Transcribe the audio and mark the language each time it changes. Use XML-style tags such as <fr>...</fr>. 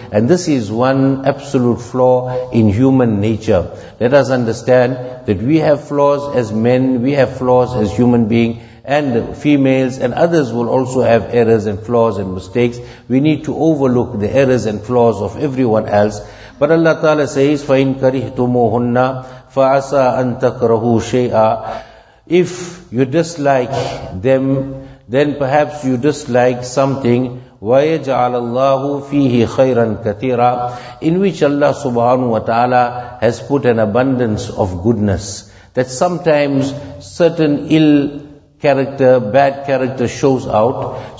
<en>And this is one absolute flaw in human nature. Let us understand that we have flaws as men, we have flaws as human beings, and females, and others will also have errors and flaws and mistakes. We need to overlook the errors and flaws of everyone else. But Allah Ta'ala says,</en> <ar>فَإِن كَرِهْتُمُوهُنَّ فَعَسَىٰ أَن تَكْرَهُوا شَيْئًا.</ar> <en>If you dislike them, then perhaps you dislike something.</en> <ar>وَيَجْعَلَ اللَّهُ فِيهِ خَيْرًا كَثِيرًا.</ar> <en>In which Allah subhanahu wa ta'ala has put an abundance of goodness. That sometimes certain ill character, bad character shows out.</en>